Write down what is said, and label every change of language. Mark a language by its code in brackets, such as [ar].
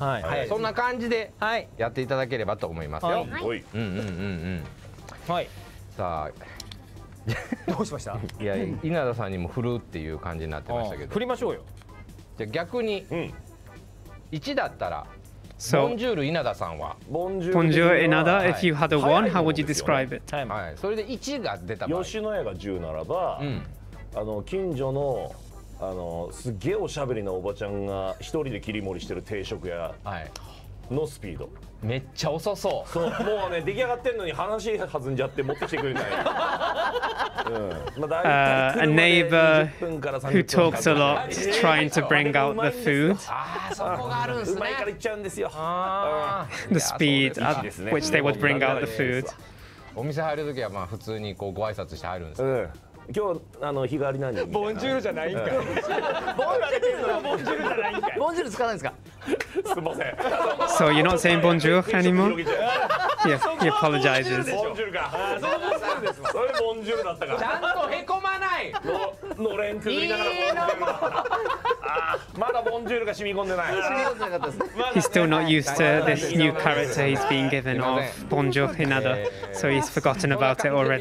[ja] はい。そんな感じでやっていただければと思いますよ。はい。うんうんうんうん。はい。さあ。どうしました？いや、稲田さんにも振るっていう感じになってましたけど。振りましょうよ。じゃあ逆に、1だったら、ボンジュール稲田さんは、 [en] ボンジュール稲田、if you had a one, how would you describe it? [ja] はい、それで1が出た場合、吉野家が10ならば、あの近所のすげえおしゃべりなおばちゃんが一人で切り盛りしてる定食屋、のスピード。めっちゃ遅そう。そう、もうね、出来上がってんのに話弾んじゃって持ってきてくれない。うん。まあ、だいたい車で20分から30分かかる。 [en] Who talks a lot, trying to bring out the food. [ja] ああ、そこがあるんですね。うまいから行っちゃうんですよ。ああ [en] The speed at which they would bring out the food. [ja] お店入るときはまあ普通にこうご挨拶して入るんですよ。うん。今日あの日替わりなんでボンジュールじゃないんかボンジュールボンジュールじゃないんかボンジュール使わないんですかすいません [en] So you're not saying bonjour anymore? Yeah, he apologizes. [ja] ボンジュールかそれはボンジュールボンジュールだったかちゃんとへこまないのれんくずりながらボンジュールまだボンジュールが染み込んでない染み込んでなかったです [en] He's still not used to this new character he's being given of bonjour Inada So he's forgotten about it already